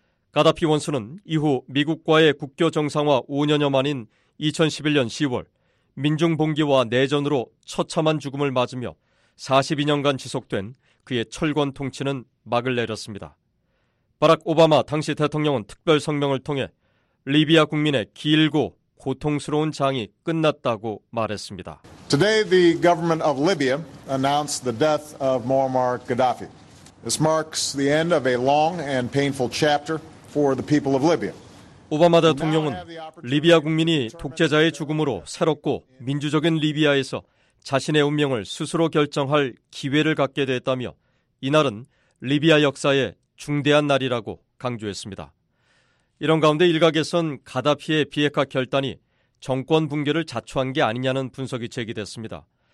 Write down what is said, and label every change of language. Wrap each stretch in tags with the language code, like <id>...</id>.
<ko>가다피 원수는 이후 미국과의 국교 정상화 5년여 만인 2011년 10월 민중 봉기와 내전으로 처참한 죽음을 맞으며 42년간 지속된 그의 철권 통치는 막을 내렸습니다. 바락 오바마 당시 대통령은 특별 성명을 통해 리비아 국민의 길고 고통스러운 장이 끝났다고 말했습니다.</ko> <en>Today the government of Libya announced the death of Muammar Gaddafi. This marks the end of a long and painful chapter for the people of Libya.</en> <ko>오바마 대통령은 리비아 국민이 독재자의 죽음으로 새롭고 민주적인 리비아에서 자신의 운명을 스스로 결정할 기회를 갖게 됐다며 이날은 리비아 역사의 중대한 날이라고 강조했습니다. 이런 가운데 일각에선 가다피의 비핵화 결단이 정권 붕괴를 자초한 게 아니냐는 분석이 제기됐습니다.</ko>